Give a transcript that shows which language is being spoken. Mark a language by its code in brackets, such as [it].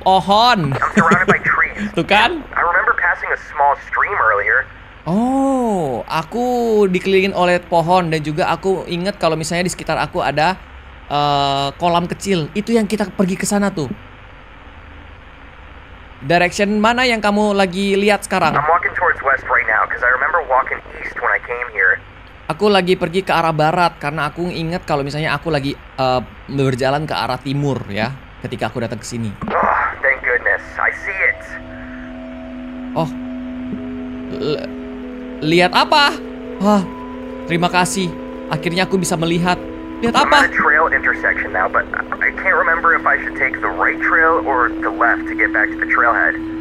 [id] Pohon. Tuh kan? [en] I remember passing a small stream earlier. [id] Oh, aku dikelilingin oleh pohon dan juga aku ingat kalau misalnya di sekitar aku ada kolam kecil. Itu yang kita pergi ke sana tuh. Direction mana yang kamu lagi lihat sekarang? [en] I'm walking towards west right now because I remember walking east when I came here. [id] Aku lagi pergi ke arah barat karena aku ingat kalau misalnya aku lagi berjalan ke arah timur ya ketika aku datang ke sini. [en] Oh, thank goodness. I see it. Oh. [id] Lihat apa? Wah. Terima kasih. Akhirnya aku bisa melihat. Lihat apa? [en] I'm at a trail intersection now, but I can't remember if I should take the right trail or the left to get back to the trailhead.